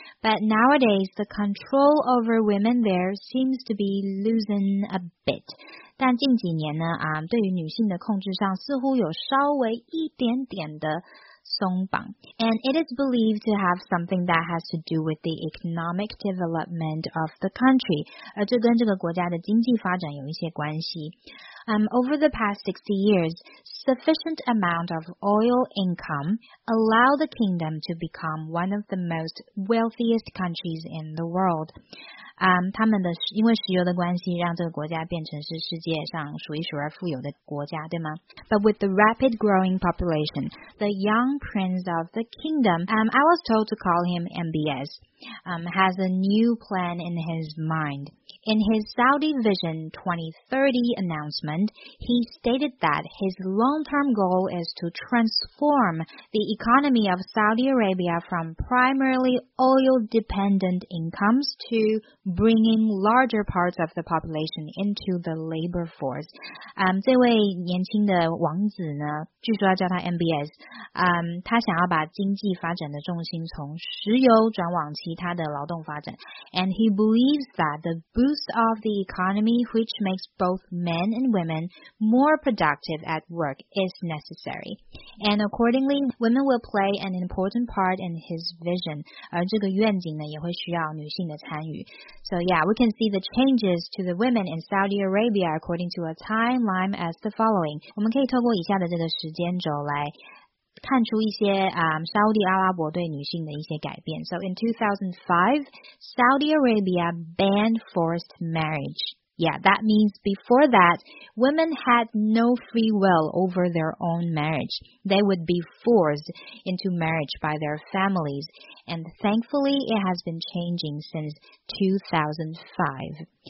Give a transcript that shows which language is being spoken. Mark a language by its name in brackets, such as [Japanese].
[English] But nowadays, the control over women there seems to be loosened a bit. [Chinese] 但近几年呢、对于女性的控制上似乎有稍微一点点的松绑 [English] And it is believed to have something that has to do with the economic development of the country. [Chinese] 而这跟这个国家的经济发展有一些关系。 [English] Over the past 60 years, sufficient amount of oil income allowed the kingdom to become one of the most wealthiest countries in the world. [Chinese] 他们的因为石油的关系让这个国家变成是世界上数一数二富有的国家对吗 [English] But with the rapid growing population, the young prince of the kingdom, I was told to call him MBS, has a new plan in his mind. In his Saudi Vision 2030 announcement, he stated that his long-term goal is to transform the economy of Saudi Arabia from primarily oil-dependent incomes to bringing larger parts of the population into the labor force. [Chinese] 这位年轻的王子呢，据说要叫他 MBS, 他想要把经济发展的重心从石油转往其他的劳动发展。 [English] And he believes that the boost of the economy, which makes both men and women more productive at work, is necessary. And accordingly, women will play an important part in his vision. [Chinese] 而这个愿景呢，也会需要女性的参与。 [English] So yeah, we can see the changes to the women in Saudi Arabia according to a timeline as the following. [Chinese] 我们可以透过以下的这个时间轴来看出一些沙烏地阿拉伯对女性的一些改变。 [English] So in 2005, Saudi Arabia banned forced marriage. Yeah, that means before that, women had no free will over their own marriage. They would be forced into marriage by their families. And thankfully, it has been changing since 2005.